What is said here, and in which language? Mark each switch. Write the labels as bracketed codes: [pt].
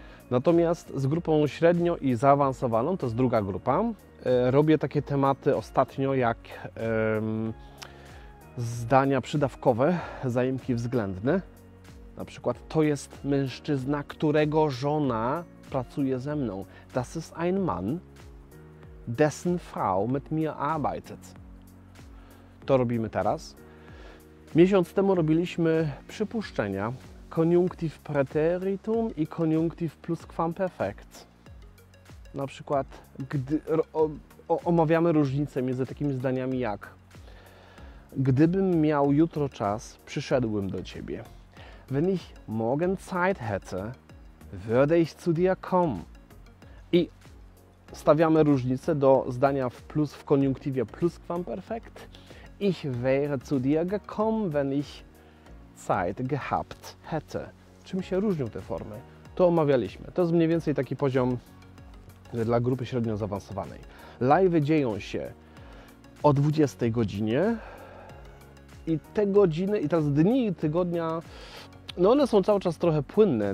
[pl] Natomiast z grupą średnio i zaawansowaną, to jest druga grupa, robię takie tematy ostatnio jak zdania przydawkowe, zaimki względne. Na przykład, to jest mężczyzna, którego żona pracuje ze mną. [de] Das ist ein Mann, dessen Frau mit mir arbeitet. [pl] To robimy teraz. Miesiąc temu robiliśmy przypuszczenia. Konjunktiv preteritum i konjunktiv pluskvamperfekt. Na przykład, gdy omawiamy różnicę między takimi zdaniami jak: gdybym miał jutro czas, przyszedłbym do Ciebie. [de] Wenn ich morgen Zeit hätte, würde ich zu dir kommen. [pl] I stawiamy różnicę do zdania w koniunktywie pluskvamperfekt. [de] Ich wäre zu dir gekommen, wenn ich Zeit gehabt hätte. [pl] Czym się różnią te formy? To omawialiśmy. To jest mniej więcej taki poziom dla grupy średnio zaawansowanej. Live'y dzieją się o 20 godzinie. I te godziny, i teraz dni tygodnia, no one są cały czas trochę płynne.